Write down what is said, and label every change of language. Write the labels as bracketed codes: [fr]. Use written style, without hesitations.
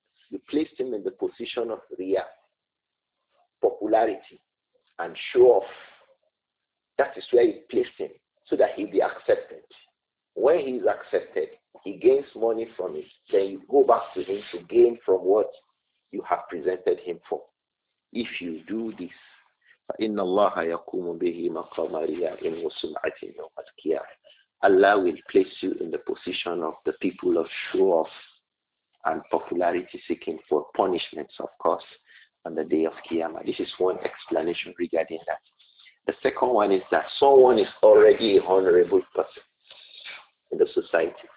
[en] You placed him in the position of Riya, popularity, and show off. That is where you placed him, so that he'll be accepted. When he's accepted, he gains money from it. Then you go back to him to gain from what you have presented him for. If you do this, [ar] فَإِنَّ اللَّهَ يَقُومُ بِهِ مَقَامَ رِيَاءٍ وَسُمْعَةٍ يَوْمَ الْقِيَامَةِ. [en] Allah will place you in the position of the people of show-off and popularity seeking for punishments, of course, on the day of Qiyamah. This is one explanation regarding that. The second one is that someone is already an honorable person in the society.